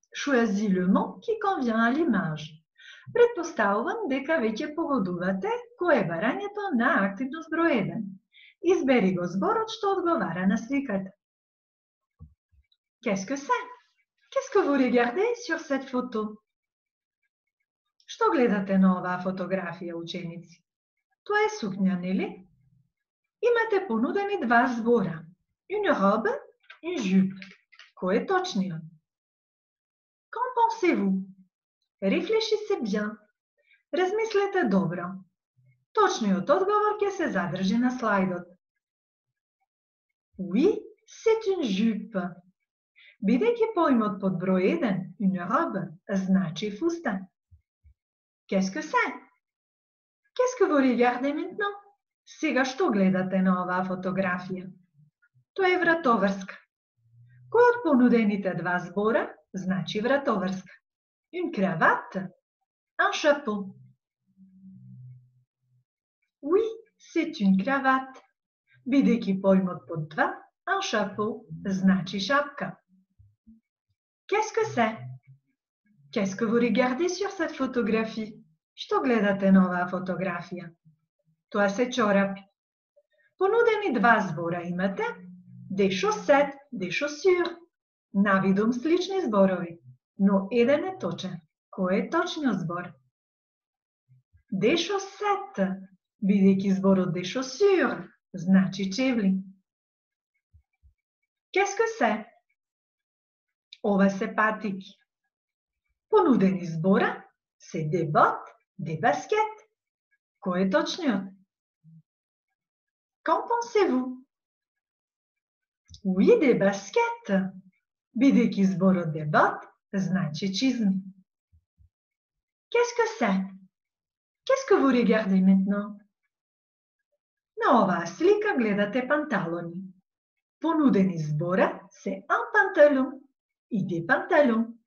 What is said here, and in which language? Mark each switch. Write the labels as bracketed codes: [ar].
[fr] Choisis le mot qui convient à l'image. [mk] Предпоставувам дека веќе погодувате кое барањето на активност број 1. Избери го зборот што одговара на сликата. [fr] Qu'est-ce que c'est? Qu'est-ce que vous regardez sur cette photo? [mk] Што гледате на оваа фотографија, ученици? Тоа е сукња, нели? Имате понудени два збора. [fr] Une robe, une jupe. [mk] Кој е точниот? [fr] Qu'en pensez-vous? Réfléchissez bien. [mk] Размислете добро. Точниот одговор ќе се задржи на слайдот. [fr] Oui, c'est une jupe. [mk] Бидејќи поимот под број 1, une robe, значи фустан. [fr] Qu'est-ce que c'est? Qu'est-ce que vous regardez maintenant? [mk] Сега што гледате на оваа фотографија? Тоа е вратоврска. Кој од понудените два збора значи вратоврска? [fr] Une cravate, un chapeau. Oui, c'est une cravate. [mk] Бидејќи поимот под два, un chapeau значи шапка. [fr] Qu'est-ce que c'est? Qu'est-ce que vous regardez sur cette photographie? [mk] Што гледате на оваа фотографија? Тоа се чорапи. Понудени два збора имате. [fr] Des chaussettes, des chaussures. [mk] На видом слични зборови. Но еден е точен. Кој е точниот збор? Des chaussettes. Бидејќи зборот des chaussures значи чевли. [fr] Qu'est-ce que c'est? [mk] Ова се патики. Понудени збора се des bottes, des baskets. Кој е точниот? [fr] Qu'en pensez-vous? Oui, des baskets. [mk] Бидејќи зборот des bottes значи чизми. [fr] Qu'est-ce que c'est? Qu'est-ce que vous regardez maintenant? [mk] На оваа слика гледате панталони. Понудени збора се un pantalon и des pantalons.